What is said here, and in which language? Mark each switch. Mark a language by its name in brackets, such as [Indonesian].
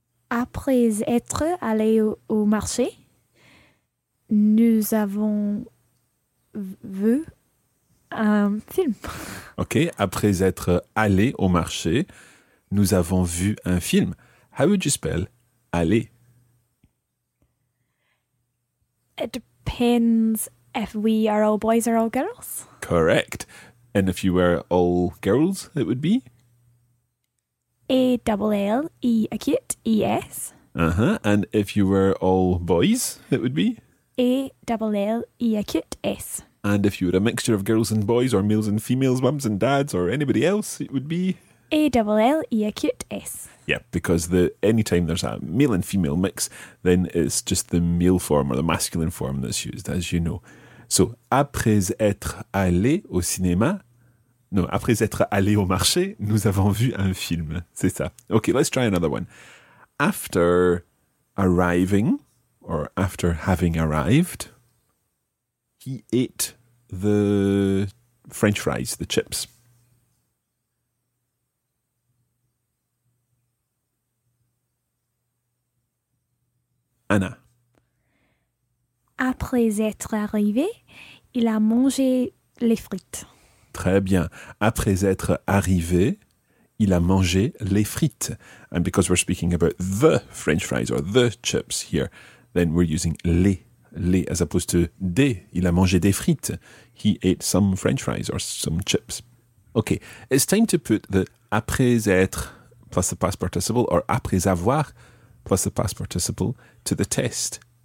[French] Après être allé au marché, nous avons vu un film. Ok, après être allé au marché, nous avons vu un film. [English] How would you spell aller? It depends if we are all boys or all girls. Correct. And if you were all girls, it would be? A-double-L-E, acute, E-S. Uh-huh. And if you were all boys, it would be? A-double-L-E, acute, S. And if you were a mixture of girls and boys, or males and females, mums and dads, or anybody else, it would be? A-double-L-E-acute-S. Yeah, because any time there's a male and female mix, then it's just the male form or the masculine form that's used, as you know. [French] So, après être allé au cinéma, no, après être allé au marché, nous avons vu un film. C'est ça. [English] Okay, let's try another one. After arriving, or after having arrived, he ate the French fries, the chips. Anna. [French] Après être arrivé, il a mangé les frites. Très bien. Après être arrivé, il a mangé les frites. [English] And because we're speaking about the French fries or the chips here, then we're using les as opposed to des. [French] Il a mangé des frites. [English] He ate some French fries or some chips. Okay, it's time to put the après être plus the past participle or après avoir plus the past participle to the test.